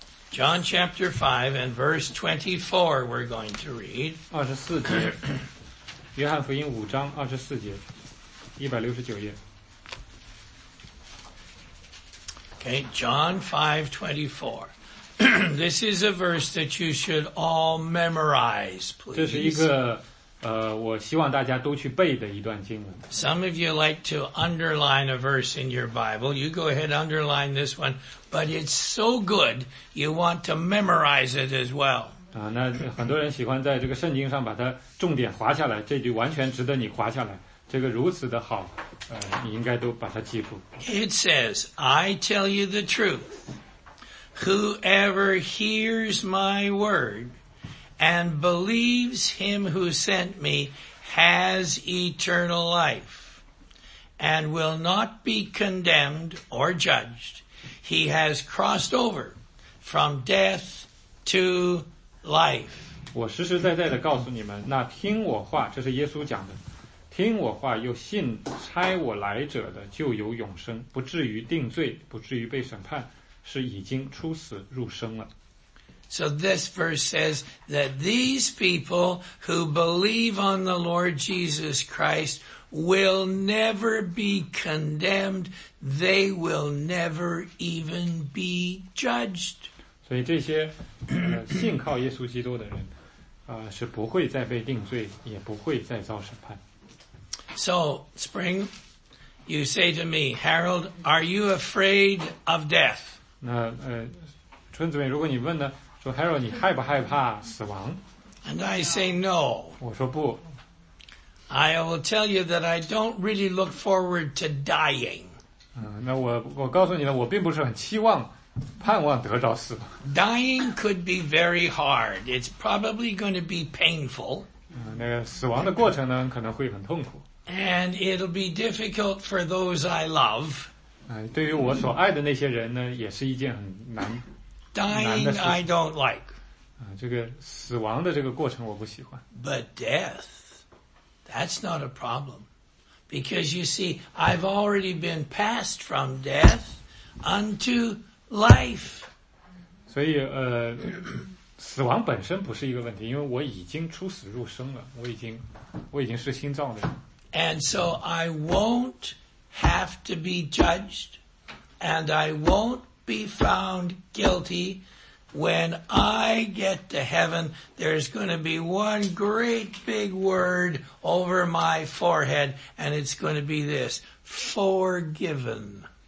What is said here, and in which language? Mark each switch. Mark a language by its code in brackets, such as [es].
[en] John chapter 5 and verse 24 we're going to read. [zh] 约翰福音五章二十四节，一百六十九页。 [en] Okay, John 5:24. This is a verse that you should all memorize, please. [zh] 这是一个我希望大家都去背的一段经文。 [en] Some of you like to underline a verse in your Bible. You go ahead and underline this one, but it's so good you want to memorize it as well. [zh] 那很多人喜欢在这个圣经上把它重点划下来，这句完全值得你划下来。这个如此的好，你应该都把它记住。 [en] It says, I tell you the truth. Whoever hears my word,And believes him who sent me has eternal life and will not be condemned or judged. He has crossed over from death to life. [zh] 我实实在在地告诉你们，那听我话，这是耶稣讲的，听我话又信差我来者的就有永生，不至于定罪，不至于被审判，是已经出死入生了。 [en] So this verse says that these people who believe on the Lord Jesus Christ will never be condemned. They will never even be judged. [zh] 所以这些信靠耶稣基督的人是不会再被定罪，也不会再遭审判。 [en] So, Spring, you say to me, Harold, are you afraid of death? [zh] 那春子妹，如果你问呢？ [en] So Harold, [zh] 你害不害怕死亡? [en] And I say no. [zh] 我说不。 [en] I will tell you that I don't really look forward to dying. [zh] 那我告诉你了，我并不是很期望、盼望得着死亡。 [en] Dying could be very hard. It's probably going to be painful. [zh] 那个死亡的过程呢，可能会很痛苦。 [en] And it'll be difficult for those I love. [zh] 对于我所爱的那些人呢，也是一件很难。 [en] Dying, I don't like. [zh] 这个死亡的这个过程我不喜欢。 [en] But death, that's not a problem. Because you see, I've already been passed from death unto life. [zh] 所以死亡本身不是一个问题，因为我已经出死入生了，我已经是新造的人。 [en] And so I won't have to be judged, and I won't be found guilty when I get to heaven. There's going to be one great big word over my forehead, and it's going to be this: forgiven.